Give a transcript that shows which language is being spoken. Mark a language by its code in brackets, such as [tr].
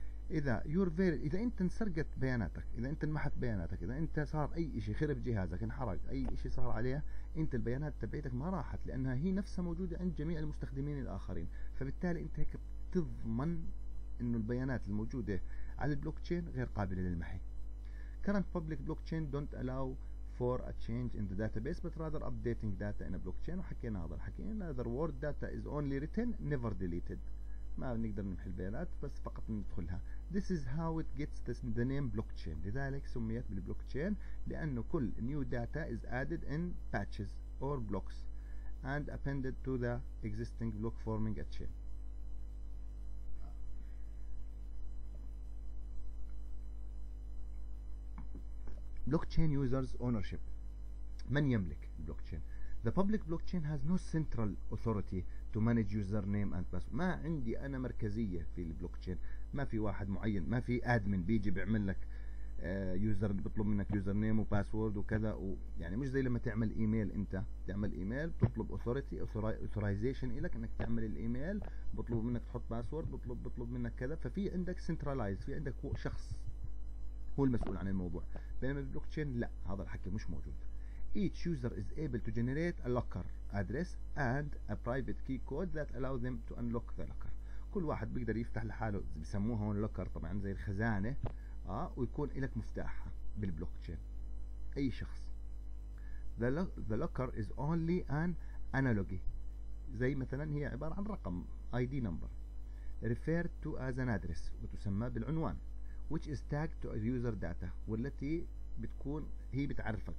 [ar] اذا انت انسرقت بياناتك، اذا انت انمحت بياناتك، اذا انت صار اي شيء خرب جهازك، انحرق اي شيء صار عليه، انت البيانات تبعتك ما راحت، لانها هي نفسها موجوده عند جميع المستخدمين الاخرين. فبالتالي انت هيك بتضمن انه البيانات الموجوده على البلوك تشين غير قابله للمحي. [en] Current public blockchain don't allow for a change in the database but rather updating data in a blockchain. [ar] وحكينا هذا الحكي، [en] in other words data is only written never deleted. [ar] ما بنقدر نمحي البيانات بس فقط ندخلها. [en] This is how it gets the name blockchain. [ar] لذلك سميت بالبلوكتشين، لانه كل [en] new data is added in patches or blocks and appended to the existing block forming a chain. Blockchain users ownership. [ar] من يملك البلوكتشين؟ [en] The public blockchain has no central authority to manage username and password. [ar] ما عندي أنا مركزية في البلوكتشين. ما في واحد معين. ما في admin بيجي بيعمل لك user بطلب منك username وpassword وكذا. يعني مش زي لما تعمل إيميل أنت. تعمل إيميل بطلب authority authorization إلك إنك تعمل الإيميل. بطلب منك تحط password. بطلب منك كذا. ففي عندك centralized. في عندك شخص هو المسؤول عن الموضوع. بينما البلوكتشين لا. هذا الحكي مش موجود. [en] Each user is able to generate a locker address and a private key code that allow them to unlock the locker. [ar] كل واحد بيقدر يفتح لحاله بيسموها هون locker طبعا زي الخزانة ويكون لك مفتاح بالبلوكتشين اي شخص. [en] The locker is only an analogy [ar] زي مثلا هي عبارة عن رقم [en] ID number referred to as an address [ar] وتسمى بالعنوان [en] which is tagged to the user data [ar] والتي بتكون هي بتعرفك.